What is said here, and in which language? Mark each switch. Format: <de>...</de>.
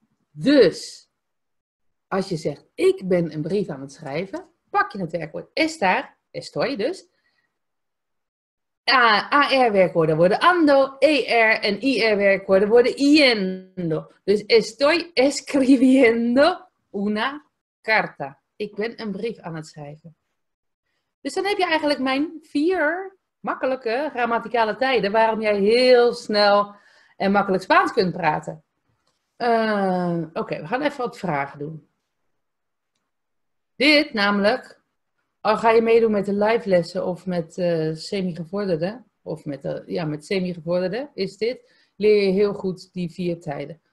<nl>Dus, als je zegt, ik ben een brief aan het schrijven, pak je het werkwoord estar, estoy dus. AR-werkwoorden worden ando, ER en IR-werkwoorden worden yendo.</nl> <es>Dus estoy escribiendo una carta.</es> <nl>Ik ben een brief aan het schrijven. Dus dan heb je eigenlijk mijn vier makkelijke grammaticale tijden waarom jij heel snel en makkelijk Spaans kunt praten. Oké, we gaan even wat vragen doen. Dit namelijk, al ga je meedoen met de live lessen of met semi-gevorderden, of met, met semi-gevorderden is dit, leer je heel goed die vier tijden.</nl>